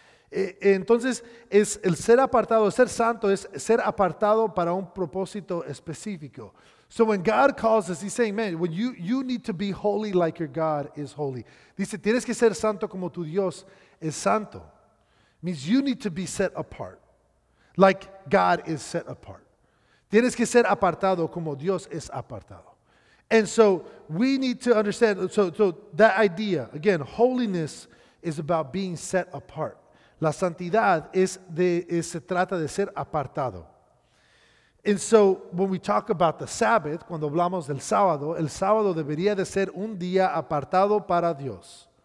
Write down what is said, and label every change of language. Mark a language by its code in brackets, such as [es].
[es] Entonces, es el ser apartado, ser santo, es ser apartado para un propósito específico. [en] So when God calls us, he's saying, man, when you need to be holy like your God is holy. [es] Dice, tienes que ser santo como tu Dios es santo. [en] Means you need to be set apart like God is set apart. [es] Tienes que ser apartado como Dios es apartado. [en] And so we need to understand, so that idea, again, holiness is about being set apart. [es] La santidad se trata de ser apartado. [en] And so when we talk about the Sabbath, [es] cuando hablamos del sábado, el sábado debería de ser un día apartado para Dios.